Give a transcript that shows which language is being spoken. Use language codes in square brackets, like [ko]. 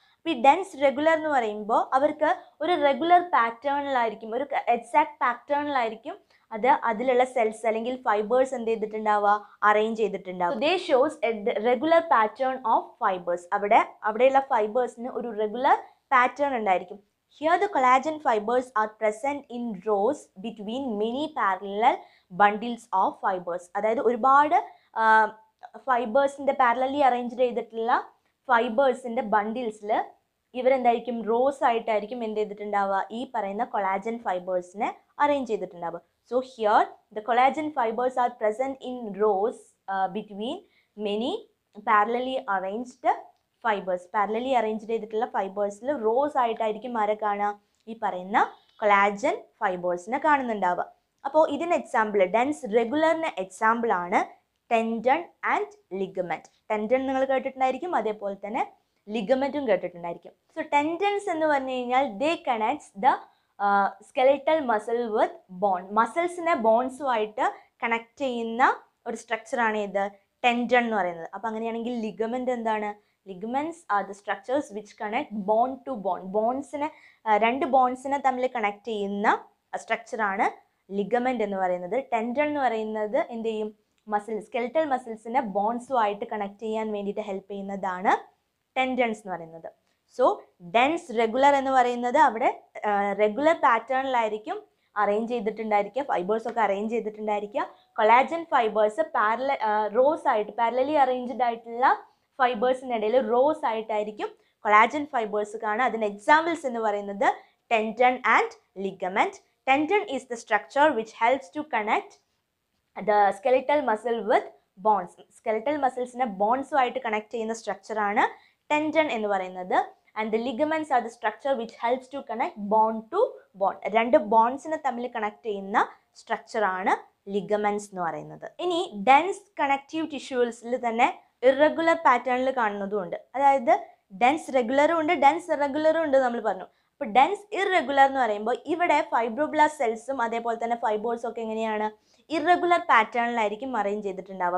[ml] അപ്പോൾ ഈ dense regular എന്ന് പറയുമ്പോൾ അവർക്ക് ഒരു റെഗുലർ പാറ്റേണിലായിരിക്കും, ഒരു എക്സാക്ട് പാറ്റേണിലായിരിക്കും അത്, അതിലുള്ള സെൽസ് അല്ലെങ്കിൽ ഫൈബേഴ്സ് എന്ത് ചെയ്തിട്ടുണ്ടാവുക, arrange ചെയ്തിട്ടുണ്ടാവുക. [en] They shows a regular pattern of fibres. [ml] അവിടെയുള്ള ഫൈബേഴ്സിന് ഒരു റെഗുലർ പാറ്റേൺ ഉണ്ടായിരിക്കും. [en] Here the collagen fibers are present in rows between many parallel bundles of fibers. [ml] അതായത് ഒരുപാട് ഫൈബേഴ്സിൻ്റെ പാരലലി അറേഞ്ച് ചെയ്തിട്ടുള്ള ഫൈബേഴ്സിൻ്റെ ബണ്ടിൽസിൽ ഇവരെന്തായിരിക്കും, റോസ് ആയിട്ടായിരിക്കും എന്ത് ചെയ്തിട്ടുണ്ടാവുക, ഈ പറയുന്ന collagen ഫൈബേഴ്സിനെ arrange ചെയ്തിട്ടുണ്ടാവുക. [en] So here the collagen fibres are present in rows between many parallelly arranged fibres. [ml] Parallelly arrange ചെയ്തിട്ടുള്ള ഫൈബേഴ്സിൽ rose ആയിട്ടായിരിക്കും ആരെ കാണുക, ഈ പറയുന്ന കൊളാജൻ ഫൈബേഴ്സിനെ കാണുന്നുണ്ടാവുക. അപ്പോൾ ഇതിന് എക്സാമ്പിൾ, ഡെൻസ് റെഗുലറിന് എക്സാമ്പിൾ ആണ് ടെൻഡൺ ആൻഡ് ലിഗമെൻറ്റ്. ടെൻഡൺ നിങ്ങൾ കേട്ടിട്ടുണ്ടായിരിക്കും, അതേപോലെ തന്നെ ലിഗമെൻറ്റും കേട്ടിട്ടുണ്ടായിരിക്കും. [en] so tendons [ml] എന്ന് പറഞ്ഞു കഴിഞ്ഞാൽ [en] They connects the skeletal muscle with bone. [ml] മസിൽസിനെ ബോൺസുമായിട്ട് connect ചെയ്യുന്ന ഒരു സ്ട്രക്ചറാണ് ഇത് ടെൻഡൺ എന്ന് പറയുന്നത്. അപ്പോൾ അങ്ങനെയാണെങ്കിൽ ലിഗമെൻറ്റ് എന്താണ്, [en] ligaments are the structures which connect bone to bone. [ml] Bones ne rendu bones ne thammil connect cheyina structure aanu ligament ennu parayunnathu. Tendon ennu parayunnathu endeyum muscle skeletal muscles ne bones uayittu connect cheyan vendite help cheynadana tendons ennu parayunnathu. So dense regular ennu parayunnathu avade regular pattern la irikkum arrange cheyidittundayirikka, fibers okke arrange cheyidittundayirikka. Collagen fibers parallel rows aayittu parallelly arranged aayittulla ഫൈബേഴ്സിനിടയിൽ rose ആയിട്ടായിരിക്കും collagen fibres കാണുക. അതിന് examples എന്ന് പറയുന്നത് tendon and ligament. [en] Tendon is the structure which helps to connect the skeletal muscle with bones. [ml] Skeletal മസിൽസിനെ ബോൺസുമായിട്ട് connect ചെയ്യുന്ന സ്ട്രക്ചറാണ് [en] tendon [ml] എന്ന് പറയുന്നത് [en] and the ligaments are the structure which helps to connect bone to bone. [ml] രണ്ട് ബോൺസിനെ തമ്മിൽ connect ചെയ്യുന്ന structure ആണ് ligaments എന്ന് പറയുന്നത്. ഇനി ഡെൻസ് കണക്റ്റീവ് ടിഷ്യൂസിൽ തന്നെ ഇറഗുലർ പാറ്റേണിൽ കാണുന്നതും ഉണ്ട്. അതായത് ഡെൻസ് റെഗുലറും ഉണ്ട്, ഡെൻസ് ഇറഗുലറും ഉണ്ട് നമ്മൾ പറഞ്ഞു. അപ്പൊ ഡെൻസ് ഇറഗുലർ എന്ന് പറയുമ്പോൾ ഇവിടെ ഫൈബ്രോബ്ലാസ് സെൽസും അതേപോലെ തന്നെ ഫൈബേഴ്സും ഒക്കെ എങ്ങനെയാണ് ഇറഗുലർ പാറ്റേണിലായിരിക്കും അറേഞ്ച് ചെയ്തിട്ടുണ്ടാവുക.